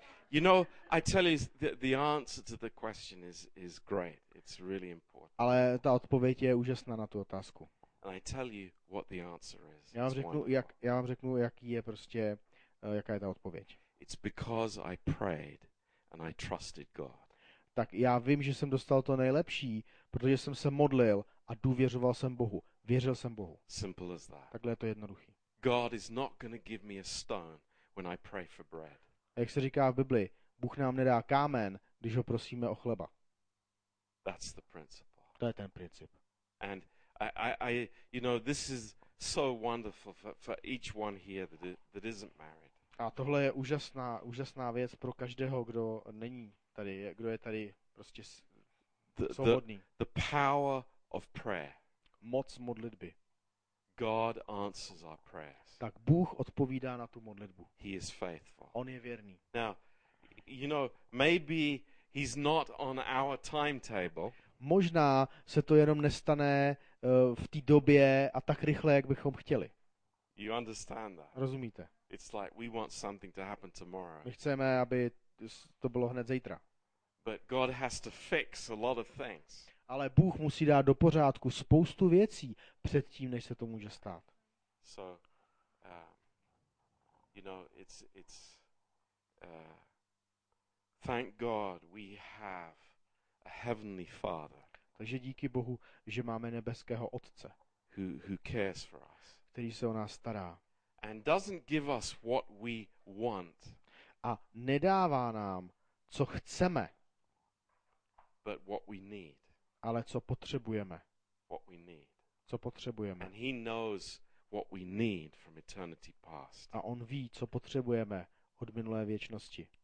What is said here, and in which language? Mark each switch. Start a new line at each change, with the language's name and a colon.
English: You know, I tell you the answer to the question is great. It's really important.
Czech: Ale ta odpověď je úžasná na tu otázku.
English: And I tell you what the answer is.
Czech: Já vám řeknu, jaký je prostě jaká je ta odpověď.
English: It's because I prayed and I trusted God.
Czech: Tak já vím, že jsem dostal to nejlepší, protože jsem se modlil a důvěřoval jsem Bohu. Věřil jsem Bohu.
English: Simple as that.
Czech: Takhle je to jednoduchý.
English: God is not going to give me a stone when I pray for bread.
Czech: Jak se říká v Bibli, Bůh nám nedá kámen, když ho prosíme o chleba.
English: That's the principle.
Czech: To je ten princip.
English: And I you know, this is so wonderful for each one here that isn't married.
Czech: A tohle je úžasná věc pro každého, kdo není tady, kdo je tady prostě svobodný.
English: The power of prayer.
Czech: Moc modlitby.
English: God answers our prayers.
Czech: Tak Bůh odpovídá na tu modlitbu.
English: He is faithful.
Czech: On je věrný.
English: Now, you know, maybe he's not on our timetable.
Czech: Možná se to jenom nestane v té době a tak rychle, jak bychom chtěli.
English: You understand that?
Czech: Rozumíte?
English: It's like we want something to happen tomorrow.
Czech: My chceme, aby to bylo hned zítra.
English: But God has to fix a lot of things.
Czech: Ale Bůh musí dát do pořádku spoustu věcí před tím, než se to může stát.
English: So, you know, it's thank God we have a heavenly Father.
Czech: Takže díky Bohu, že máme nebeského Otce,
English: who cares for us.
Czech: Který se o nás stará.
English: And doesn't give us what we want.
Czech: A nedává nám, co chceme,
English: but what we need.
Czech: Ale co potřebujeme.
English: What we need.
Czech: Co potřebujeme.
English: And he knows what we need from eternity past.
Czech: A on ví, co potřebujeme od minulé věčnosti.